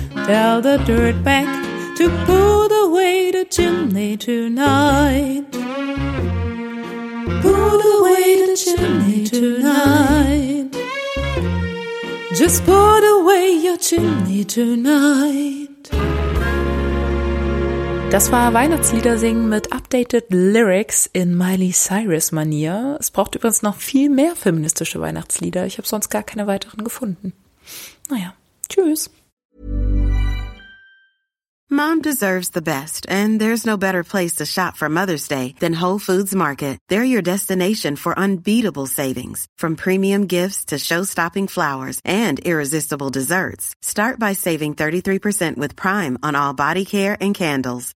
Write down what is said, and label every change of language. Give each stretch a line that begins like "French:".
English: Tell the dirtbag to put away the chimney tonight. Put away the chimney tonight. Just put away your chimney tonight.
German: Das war Weihnachtslieder singen mit updated Lyrics in Miley Cyrus-Manier. Es braucht übrigens noch viel mehr feministische Weihnachtslieder. Ich habe sonst gar keine weiteren gefunden. Naja, tschüss.
English: Mom deserves the best, and there's no better place to shop for Mother's Day than Whole Foods Market. They're your destination for unbeatable savings, from premium gifts to show-stopping flowers and irresistible desserts. Start by saving 33% with Prime on all body care and candles.